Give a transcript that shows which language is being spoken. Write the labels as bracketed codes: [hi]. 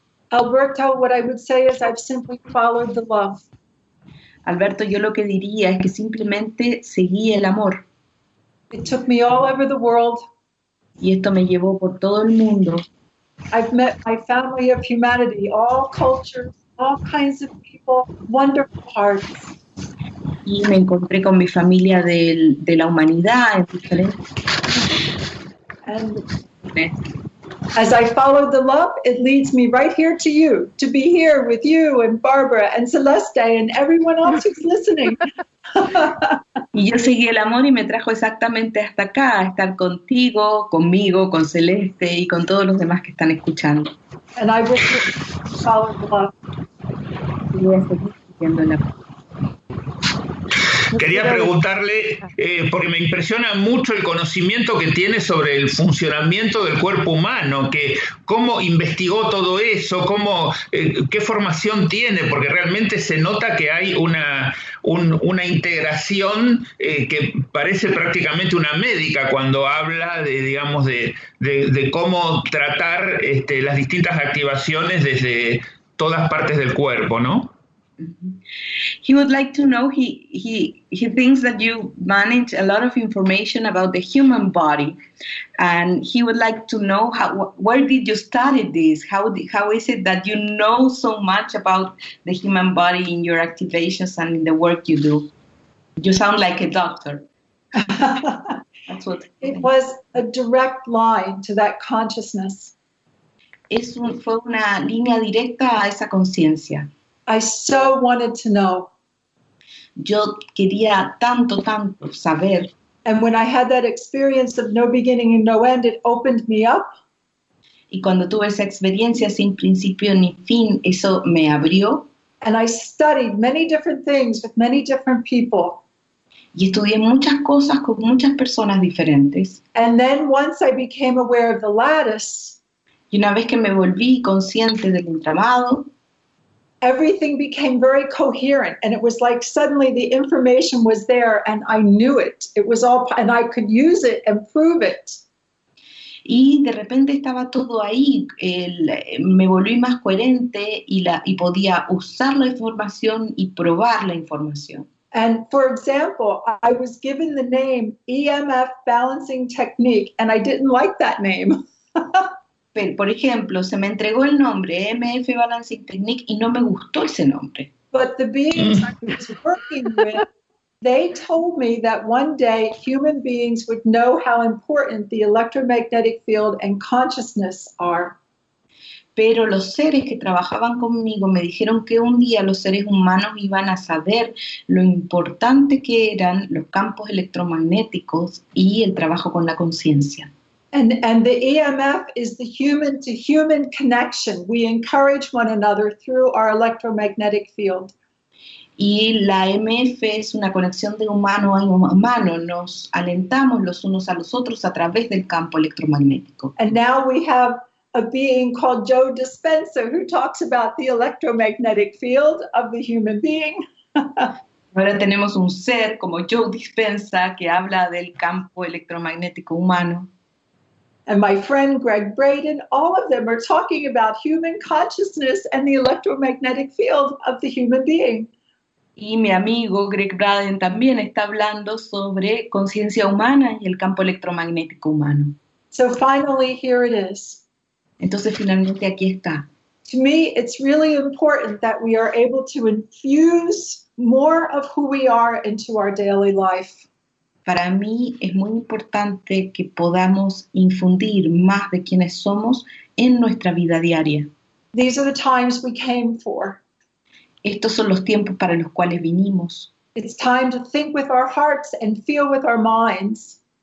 [en] Alberto, what I would say is I've simply followed the love. [es] Alberto, yo lo que diría es que simplemente seguí el amor. [en] It took me all over the world. [es] Y esto me llevó por todo el mundo. [en] I've met my family of humanity, all cultures. All kinds of people, wonderful hearts. [es] Y me encontré con mi familia de la humanidad, en diferentes. [en] And As I follow the love, it leads me right here to you, to be here with you and Barbara and Celeste and everyone else who's listening. [es] Y yo seguí el amor y me trajo exactamente hasta acá, a estar contigo, conmigo, con Celeste y con todos los demás que están escuchando. [en] And I will follow the love. [es] Y voy a seguir siguiendo el amor. [en] Quería preguntarle, porque me impresiona mucho el conocimiento que tiene sobre el funcionamiento del cuerpo humano, que cómo investigó todo eso, cómo, qué formación tiene, porque realmente se nota que hay una integración que parece prácticamente una médica cuando habla de, digamos, de cómo tratar las distintas activaciones desde todas partes del cuerpo, ¿no? Mm-hmm. He would like to know, he thinks that you manage a lot of information about the human body, and he would like to know where did you study this? How is it that you know so much about the human body in your activations and in the work you do? You sound like a doctor. That's what it was, a direct line to that consciousness. [es] Fue una línea directa a esa conciencia. [en] I so wanted to know. [es] Yo quería tanto, tanto saber. [en] And when I had that experience of no beginning and no end, it opened me up. [es] Y cuando tuve esa experiencia sin principio ni fin, eso me abrió. [en] And I studied many different things with many different people. [es] Y estudié muchas cosas con muchas personas diferentes. [en] And then once I became aware of the lattice. [es] Y una vez que me volví consciente del entramado. [en] Everything became very coherent, and it was like suddenly the information was there, and I knew it. It was all, and I could use it and prove it. [es] Y de repente estaba todo ahí. Me volví más coherente y podía usar la información y probar la información. [en] And for example, I was given the name EMF Balancing Technique, and I didn't like that name. [es] Por ejemplo, se me entregó el nombre EMF Balancing Technique y no me gustó ese nombre. [en] But the beings I was working with, they told me that one day human beings would know how important the electromagnetic field and consciousness are. [es] Pero los seres que trabajaban conmigo me dijeron que un día los seres humanos iban a saber lo importante que eran los campos electromagnéticos y el trabajo con la conciencia. [en] And the EMF is the human to human connection. We encourage one another through our electromagnetic field. [es] Y la EMF es una conexión de humano a humano. Nos alentamos los unos a los otros a través del campo electromagnético. [en] And now we have a being called Joe Dispenza who talks about the electromagnetic field of the human being. [es] Ahora tenemos un ser como Joe Dispenza que habla del campo electromagnético humano. [en] And my friend Greg Braden, all of them are talking about human consciousness and the electromagnetic field of the human being. [es] Y mi amigo Greg Braden también está hablando sobre conciencia humana y el campo electromagnético humano. [en] So finally, here it is. [es] Entonces, finalmente, aquí está. [en] To me, it's really important that we are able to infuse more of who we are into our daily life. [es] Para mí es muy importante que podamos infundir más de quienes somos en nuestra vida diaria. [en] These are the times we came for. [es] Estos son los tiempos para los cuales vinimos. [en] It's time to think with our hearts and feel with our minds.